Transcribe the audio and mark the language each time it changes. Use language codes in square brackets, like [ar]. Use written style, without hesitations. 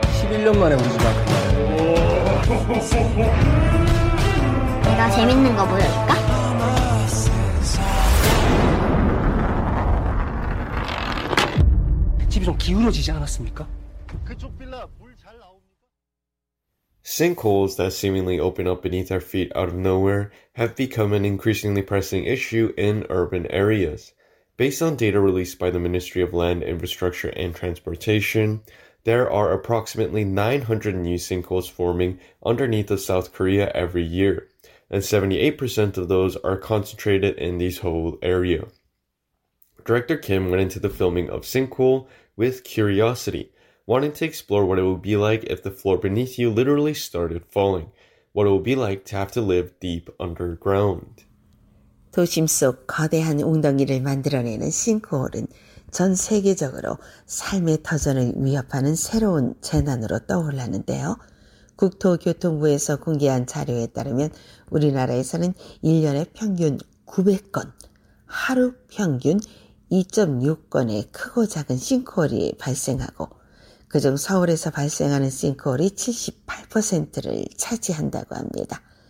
[ko] 11년 만에 우리 집 앞에. 내가 재밌는 거 보여줄까? 집이 좀 기울어지지 않았습니까? 그쪽 빌라 물 잘 나오. [en] Sinkholes that seemingly open up beneath our feet out of nowhere have become an increasingly pressing issue in urban areas. Based on data released by the Ministry of Land, Infrastructure, and Transportation, there are approximately 900 new sinkholes forming underneath of South Korea every year, and 78% of those are concentrated in this whole area. Director Kim went into the filming of Sinkhole with curiosity, wanting to explore what it would be like if the floor beneath you literally started falling, what it would be like to have to live deep underground. [ko] 도심 속 거대한 웅덩이를 만들어내는 싱크홀은 전 세계적으로 삶의 터전을 위협하는 새로운 재난으로 떠올랐는데요. 국토교통부에서 공개한 자료에 따르면 우리나라에서는 1년에 평균 900건, 하루 평균 2.6건의 크고 작은 싱크홀이 발생하고 그중 서울에서 발생하는 싱크홀이 78%를 차지한다고 합니다.